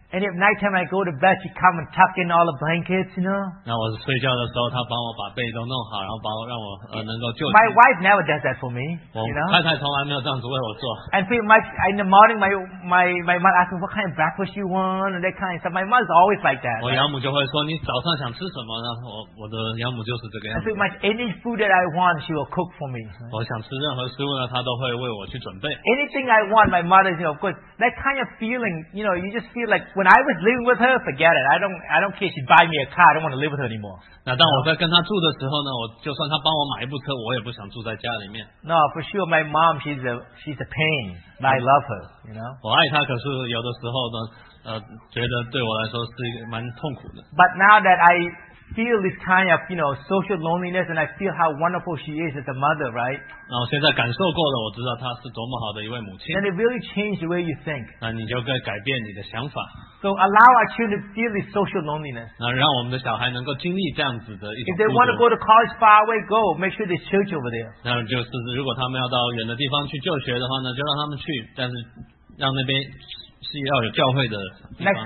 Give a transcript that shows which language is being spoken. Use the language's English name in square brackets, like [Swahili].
[English] And at night time I go to bed, she come and tuck in all the blankets, you know? [Chinese] 那我睡觉的时候，她帮我把被都弄好，然后把我让我能够就寝。 [English] My wife never does that for me. [Chinese] 我太太从来没有这样子为我做。 [English] And for my, in the morning, my mother asks me what kind of breakfast you want and that kind of stuff. My mother's always like that. [Chinese] 我养母就会说你早上想吃什么呢？我的养母就是这个样子。 [English] I feel like any food that I want, she will cook for me. [Chinese] 我想吃任何食物呢，她都会为我去准备。 [English] Anything I want, my mother, you know, of course, that kind of feeling, you know, you just feel like when I was living with her, forget it. I don't care. She buy me a car. I don't want to live with her anymore. [Chinese] 那当我在跟她住的时候呢，我就算她帮我买一部车，我也不想住在家里面。 [English] No, for sure, my mom, she's a pain, but I love her, you know. [Chinese] 我爱她，可是有的时候呢，觉得对我来说是一个蛮痛苦的。 [English] But now that I feel this kind of, you know, social loneliness, and I feel how wonderful she is as a mother, right? [Chinese] 然后现在感受过了, 我知道她是多么好的一位母亲。 [English] Then it really changed the way you think. [Chinese] 那你就该改变你的想法。 [English] So allow our children to feel this social loneliness. [Chinese] 那让我们的小孩能够经历这样子的一种孤独。 [English] If they want to go to college far away, go. Make sure there's church over there. [Chinese] 那就是如果他们要到远的地方去就学的话呢, 就让他们去, 但是让那边是要有教会的地方。 [English] Next